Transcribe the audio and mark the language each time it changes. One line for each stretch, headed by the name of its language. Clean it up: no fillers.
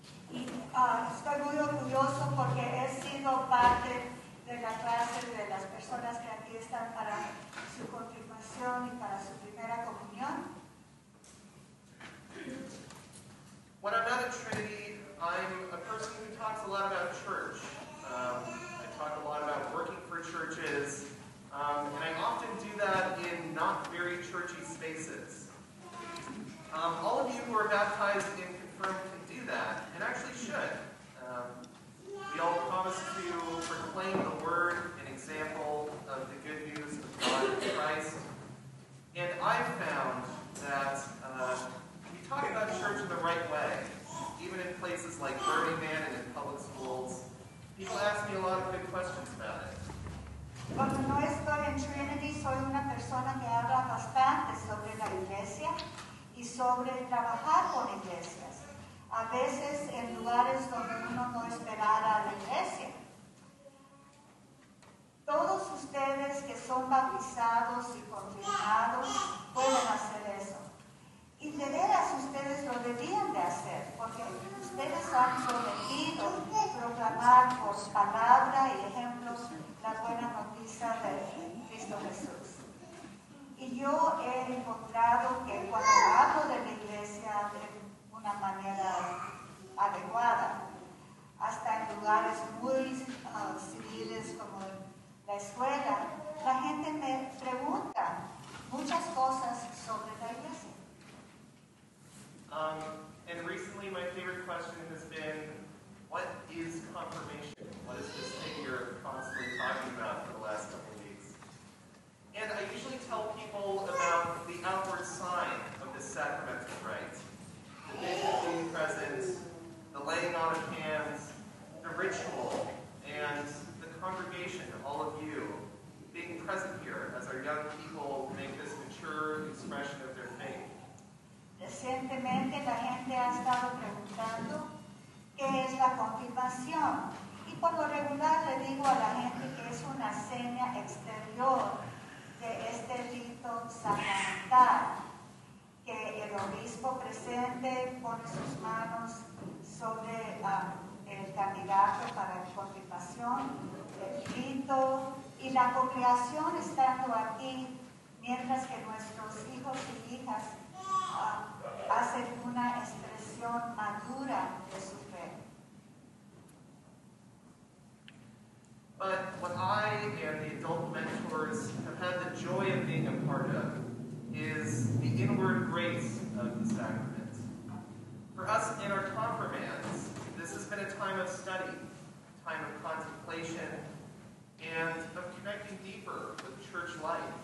Spanish: Estoy muy orgulloso porque he sido parte de la clase de las personas que aquí están para su confirmación y para su primera comunión.
English: When I'm not at Trinity, I'm a person who talks a lot about church. I talk a lot about working for churches, and I often do that in not very churchy spaces. All of you who are baptized and confirmed can do that, and actually should. We all promise to proclaim the word, an example of the good news of God in Christ. And I've found that we talk about church in the right way, even in places like Burning Man and in public schools. People ask me a lot of good questions about it.
Spanish: Cuando no estoy en Trinity, soy una persona que habla bastante sobre la iglesia y sobre trabajar con iglesias. A veces en lugares donde uno no esperara la iglesia. Todos ustedes que son bautizados y confirmados pueden hacer eso. Y de veras ustedes lo debían de hacer, porque ustedes han prometido proclamar por palabra y ejemplos la buena noticia de Cristo Jesús. Y yo he encontrado que cuando hablo de la iglesia, de una manera adecuada, hasta en lugares muy civiles como la escuela, la gente me pregunta muchas cosas sobre la iglesia.
English: And recently my favorite question has been, what is confirmation? What is this thing you're constantly talking about for the last couple of weeks? And I usually tell people about the outward sign of the sacramental rite. The vision being present, the laying on of hands, the ritual, and the congregation, all of you, being present here as our young people make this mature expression of their faith.
Spanish: Recientemente la gente ha estado preguntando qué es la confirmación. Y por lo regular le digo a la gente que es una seña exterior de este rito sacramental. Que el obispo presente pone sus manos sobre el candidato para la confirmación, el rito, y la congregación estando aquí, mientras que nuestros hijos y hijas hacen una expresión madura de su fe.
English: But what I and the adult mentors have had the joy of being a part of is the inward grace of the sacrament. For us in our confirmants, this has been a time of study, a time of contemplation, and of connecting deeper with church life.